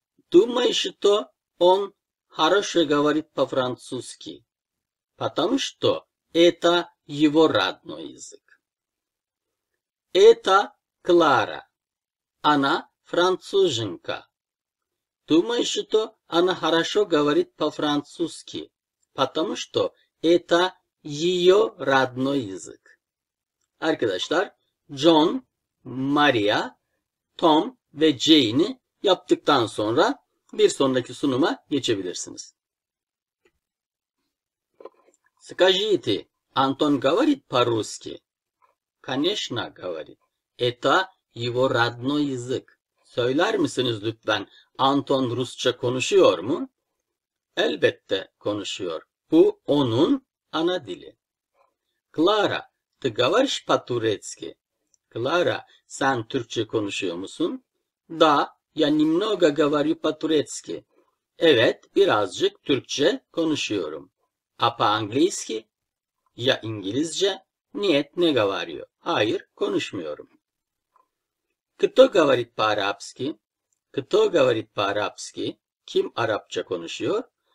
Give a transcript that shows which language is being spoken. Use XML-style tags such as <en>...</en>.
<ru>Думаешь, что он хорошо говорит по-французски, потому что это его родной язык. Это Клара. Она француженка. Думаешь, что она хорошо говорит по-французски, потому что это ее родной язык.</ru> <tr>Arkadaşlar, John, Maria, Tom ve Jane'i yaptıktan sonra bir sonraki sunuma geçebilirsiniz.</tr> <ru>Скажите, Антон говорит по-русски? Конечно, говорит. Это его родной язык.</ru> <tr>Söyler misiniz lütfen? Anton Rusça konuşuyor mu? Elbette konuşuyor. Bu onun ana dili.</tr> <ru>Clara, ты говоришь по-турецки?</ru> <tr>Clara, sen Türkçe konuşuyor musun?</tr> <ru>Да, я немного говорю по-турецки.</ru> <tr>Evet, birazcık Türkçe konuşuyorum.</tr> <ru>А по-английски?</ru> <tr>Ya İngilizce?</tr> <ru>Нет, не говорю.</ru> <tr>Hayır, konuşmuyorum.</tr> <ru>Кто говорит по-арабски? Кто говорит по-арабски?</ru> <tr>Kim Arapça konuşuyor?</tr>